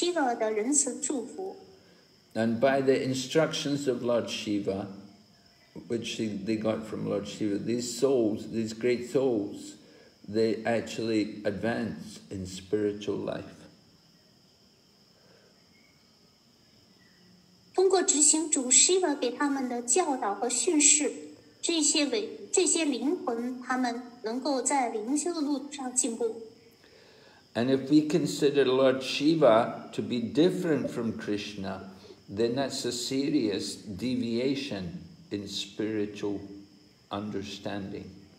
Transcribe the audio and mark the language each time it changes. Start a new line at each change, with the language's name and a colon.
English: And by the instructions of Lord Shiva, which they got from Lord Shiva, these souls, these great souls, they actually advance in spiritual life.
Chinese: 通过执行主Shiva给他们的教导和训示，这些灵魂他们能够在灵修的路上进步。
English: And if we consider Lord Shiva to be different from Krishna, then that's a serious deviation in spiritual understanding.